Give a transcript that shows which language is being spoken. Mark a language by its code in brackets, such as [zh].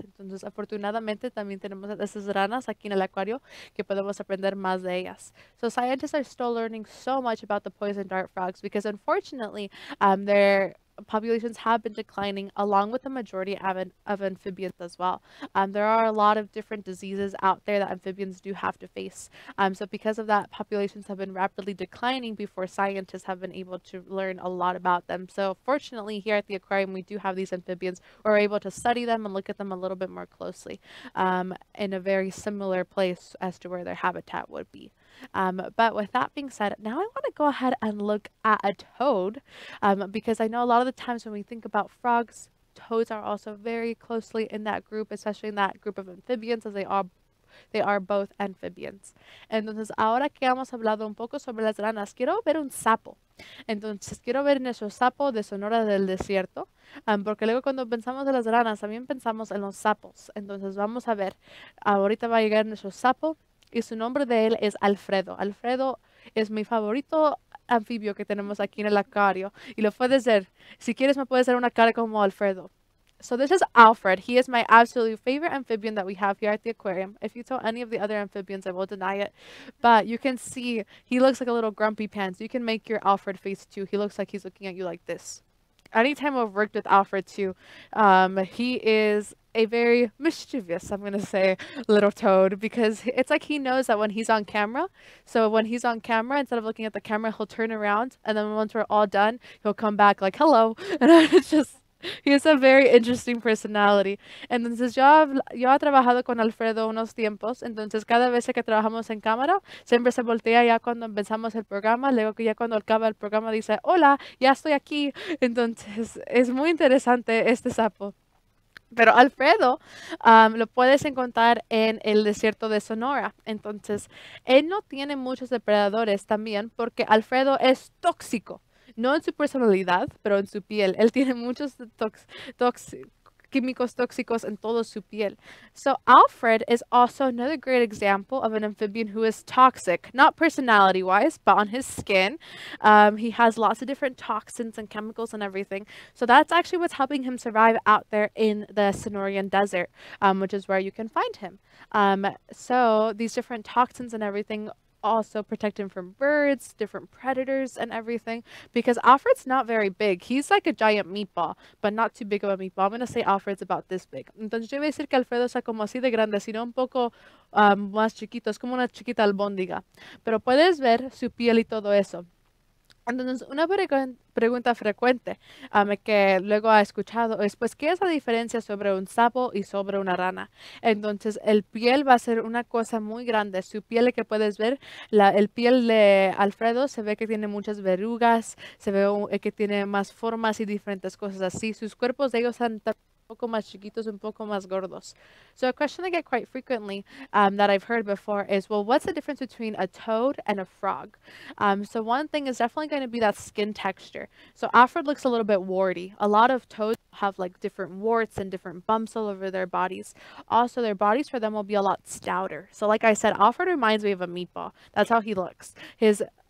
[es] Entonces, afortunadamente, también tenemos esas ranas aquí en el acuario que podemos aprender más de ellas. [en] So, scientists are still learning so much about the poison dart frogs because, unfortunately, they're populations have been declining along with the majority of amphibians as well. There are a lot of different diseases out there that amphibians do have to face. So because of that, populations have been rapidly declining before scientists have been able to learn a lot about them. So fortunately, here at the aquarium, we do have these amphibians. We're able to study them and look at them a little bit more closely in a very similar place as to where their habitat would be. But with that being said, now I want to go ahead and look at a toad, because I know a lot of the times when we think about frogs, toads are also very closely in that group, especially in that group of amphibians, as they are both amphibians. [es] Entonces, ahora que hemos hablado un poco sobre las ranas, quiero ver un sapo. Entonces, quiero ver nuestro sapo de Sonora del Desierto, porque luego cuando pensamos en las ranas, también pensamos en los sapos. Entonces, vamos a ver, ahorita va a llegar nuestro sapo. Y su nombre de él es Alfredo. Alfredo es mi favorito anfibio que tenemos aquí en el acuario. Y lo puedes ver. Si quieres, me puedes hacer una cara como Alfredo. [en] So this is Alfred. He is my absolute favorite amphibian that we have here at the aquarium. If you tell any of the other amphibians, I will deny it. But you can see he looks like a little grumpy pants. You can make your Alfred face too. He looks like he's looking at you like this. Anytime I've worked with Alfred too, he is a very mischievous, I'm going to say, little toad, because it's like he knows that when he's on camera, instead of looking at the camera, he'll turn around, and then once we're all done, he'll come back like, hello, and it's just, he has a very interesting personality. [es] Entonces, yo he trabajado con Alfredo unos tiempos, entonces cada vez que trabajamos en cámara, siempre se voltea ya cuando empezamos el programa, luego que ya cuando acaba el programa dice, hola, ya estoy aquí. Entonces, es muy interesante este sapo. Pero Alfredo lo puedes encontrar en el desierto de Sonora. Entonces, él no tiene muchos depredadores también porque Alfredo es tóxico. No en su personalidad, pero en su piel. Él tiene muchos químicos tóxicos en toda su piel. [en] So Alfred is also another great example of an amphibian who is toxic, not personality-wise, but on his skin. He has lots of different toxins and chemicals and everything. So that's actually what's helping him survive out there in the Sonoran Desert, which is where you can find him. So these different toxins and everything also protect him from birds, different predators and everything, because Alfred's not very big. He's like a giant meatball, but not too big of a meatball. I'm going to say Alfred's about this big. [es] Entonces yo voy a decir que Alfredo está como así de grande, sino un poco más chiquito. Es como una chiquita albóndiga. Pero puedes ver su piel y todo eso. Entonces, una pregunta frecuente que luego ha escuchado es, pues, ¿qué es la diferencia sobre un sapo y sobre una rana? Entonces, el piel va a ser una cosa muy grande. Su piel, que puedes ver, el piel de Alfredo se ve que tiene muchas verrugas, se ve que tiene más formas y diferentes cosas así. Sus cuerpos de ellos son un poco más chiquitos, un poco más gordos. [en] So a question I get quite frequently that I've heard before is, well, what's the difference between a toad and a frog? So one thing is definitely going to be that skin texture. So Alfred looks a little bit warty. A lot of toads have like different warts and different bumps all over their bodies. Also, their bodies for them will be a lot stouter. So like I said, Alfred reminds me of a meatball. That's how he looks. His